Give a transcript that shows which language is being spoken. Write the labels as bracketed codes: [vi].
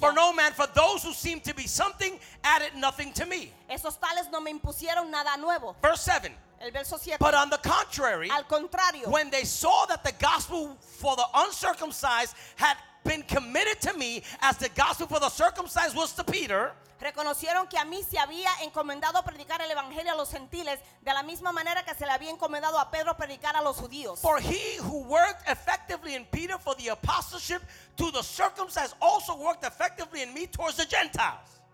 [en] For no man, for those who seem to be something, added nothing to me. [es] Esos tales no me impusieron nada nuevo. [en] Verse 7. [es] El verso 7. [en] But on the contrary, [es] al contrario, [en] when they saw that the gospel for the uncircumcised had been committed to me as the gospel for the circumcised was to Peter, [es] reconocieron que a mí se había encomendado predicar el evangelio a los gentiles de la misma manera que se le había encomendado a Pedro predicar a los judíos. [en] For he who worked effectively in Peter for the apostleship to the circumcised also worked effectively in me towards the Gentiles.